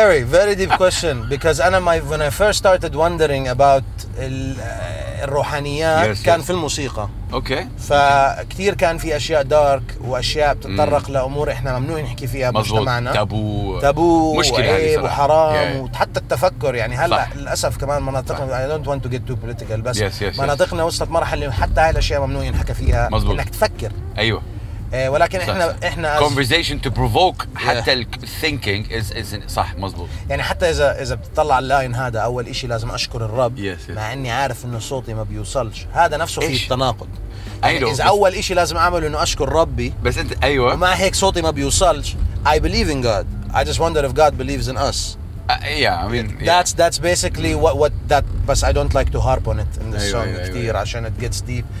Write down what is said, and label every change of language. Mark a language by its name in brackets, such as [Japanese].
[English] Very very deep question because أنا my when I first started wondering about الروحانيات yes, [Arabic] كان [English] yes. [Arabic] في الموسيقى [English] okay [Arabic] فكثير كان في اشياء دارك واشياء بتتطرق لامور احنا ممنوع نحكي فيها بمجتمعنا تابو مشكله عيب وحرام yeah. وحتى التفكر يعني هلا للاسف كمان مناطقنا [English] I don't want to get too political [Arabic] بس [English] yes, yes, [Arabic] مناطقنا [English] yes. [Arabic] وصلت مرحله حتى هاي الاشياء ممنوع ينحكى فيها مزبوط. انك تفكر ايوه ولكن صح. احنا [English] conversation to provoke yeah. حتى ال thinking is [Arabic] صح مظبوط يعني حتى اذا بتطلع اللاين هذا اول إشي لازم اشكر الرب [English] yes, yes. [Arabic] مع اني عارف انه صوتي ما بيوصلش هذا نفسه فيه تناقض يعني اذا اول إشي لازم اعمله انه اشكر ربي بس انت ايوه ومع هيك صوتي ما بيوصلش [English] I believe in God I just wonder if God believes in us. That's basically what that. But I don't like to harp on it in this song [Arabic] كتير عشان [English] it gets deep.